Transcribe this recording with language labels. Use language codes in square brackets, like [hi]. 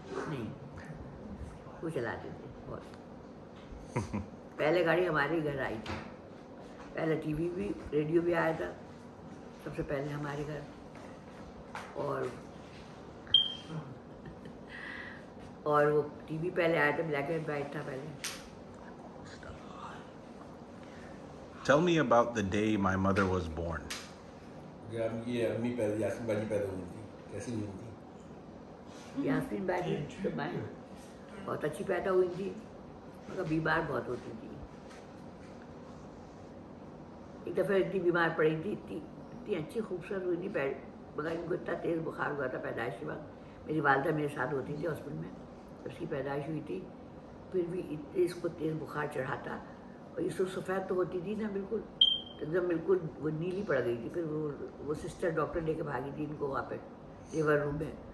[hi] नहीं वो चलाते थे बहुत पहले गाड़ी हमारे घर आई थी पहले टीवी भी रेडियो भी आया था सबसे पहले हमारे घर और वो टीवी पहले आया था ब्लैक एंड वाइट था पहले [en] Tell me about the day my mother was born. [hi] ये अम्मी पहले यासमीन बाजी पैदा हुई थी कैसी हुई थी यासमीन बाजी तो मैं बहुत अच्छी पैदा हुई थी मगर बीमार बहुत होती थी एक दफ़े इतनी बीमार पड़ी थी इतनी अच्छी खूबसूरत हुई नहीं मगर इनको इतना तेज़ बुखार हुआ था पैदाइश के बाद मेरी वालदा मेरे साथ होती थी हॉस्पिटल में उसकी पैदाइश हुई थी फिर भी इतने इसको तेज़ बुखार चढ़ा था और इसको सफ़ेद तो होती थी ना बिल्कुल एकदम बिल्कुल वो नीली पड़ गई थी फिर वो सिस्टर डॉक्टर लेके भागी थी इनको वहाँ पर लेबर रूम में